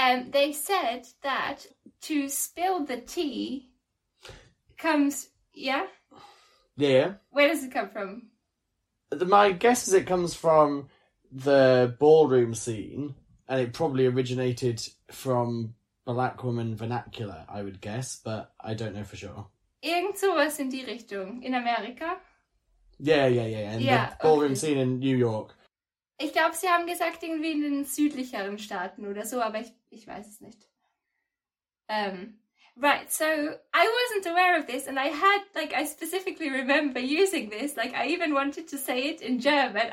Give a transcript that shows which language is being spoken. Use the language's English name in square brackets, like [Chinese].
[English] They said that to spill the tea comes... Yeah? Yeah. Where does it come from? My guess is it comes from the ballroom scene, and it probably originated from black woman vernacular, I would guess, but I don't know for sure. [German] Irgend sowas in die Richtung, in Amerika? [English] Yeah. In the ballroom scene in New York. [German] Ich glaube, sie haben gesagt, irgendwie in den südlicheren Staaten oder so, aber ich weiß es nicht. [English] Right, so I wasn't aware of this, and I had, like, I specifically remember using this. Like, I even wanted to say it in German.